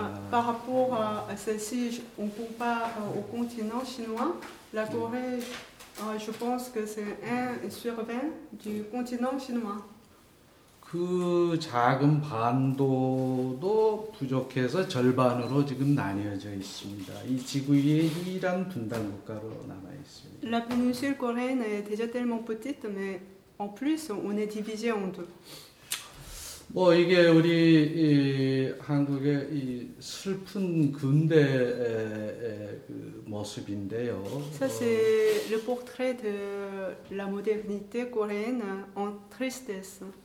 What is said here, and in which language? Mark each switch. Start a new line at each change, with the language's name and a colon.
French: Par rapport à celle-ci, on compare au continent chinois. La Corée, je pense que c'est 1/20 du continent chinois.
Korean: 그 작은 반도도 부족해서 절반으로 지금 나뉘어져 있습니다. 이 지구 위에 이란 분단 국가로 남아 있습니다.
French: La péninsule coréenne est déjà tellement petite, mais en plus on est divisé en deux.
Korean: 뭐 이게 우리 이 한국의 이 슬픈 근대의 그 모습인데요.
French: Ça c'est le portrait de la modernité coréenne en tristesse.